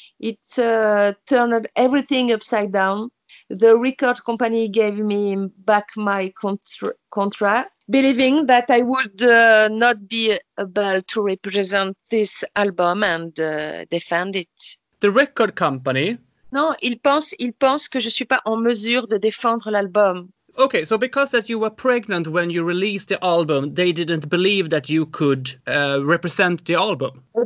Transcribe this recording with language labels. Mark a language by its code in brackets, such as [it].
[en] It turned everything upside down. The record company gave me back my contract, believing that I would not be able to represent this album and defend it. The record company? [fr] No, il pense que je suis pas en mesure de défendre l'album. [en] Okay, so because that you were pregnant when you released the album, they didn't believe that you could represent the album.